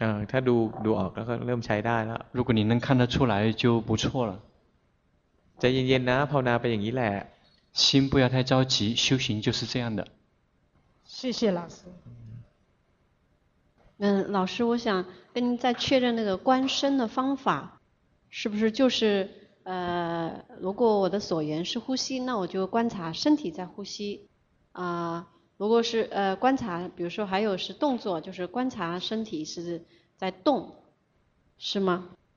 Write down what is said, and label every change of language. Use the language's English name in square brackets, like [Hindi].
[Thai] ถ้าดูออกแล้วก็เริ่มใช้ได้แล้ว [Chinese] 如果你能看得出来就不错了 [Thai] ใจเย็นๆนะภาวนาไปอย่างนี้แหละ [Chinese] 心不要太着急修行就是这样的谢谢老师老师我想跟您再确认那个观身的方法是不是就是如果我的所缘是呼吸那我就观察身体在呼吸如果是观察比如说还有是动作就是观察身体是在动是吗